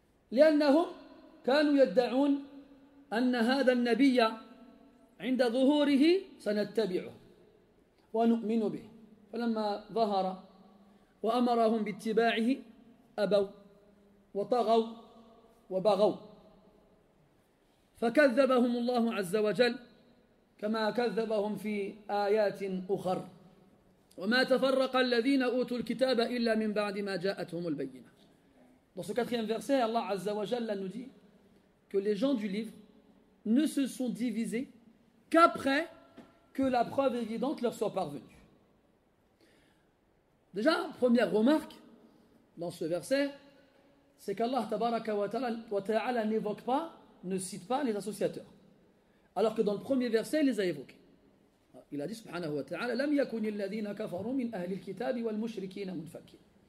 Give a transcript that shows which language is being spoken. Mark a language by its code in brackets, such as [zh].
[ar] لأنهم كانوا يدعون أن هذا النبي عند ظهوره سنتبعه ونؤمن به، فلما ظهر وأمرهم باتباعه أبوا وطغوا وبغوا، فكذبهم الله عز وجل كما كذبهم في آيات أخر. وما تفرق الذين أوتوا الكتاب إلا من بعد ما جاءتهم البينة. [fr] Dans ce quatrième verset, Allah Azza wa Jalla nous dit que les gens du livre ne se sont divisés qu'après que la preuve évidente leur soit parvenue. Déjà, première remarque dans ce verset, c'est qu'Allah tabaraka wa ta'ala n'évoque pas, ne cite pas les associateurs. Alors que dans le premier verset, il les a évoqués. Il a dit, [ar] subhanahu wa ta'ala, لم يكن الذين كفروا من أهل الكتاب والمشركين منفكين.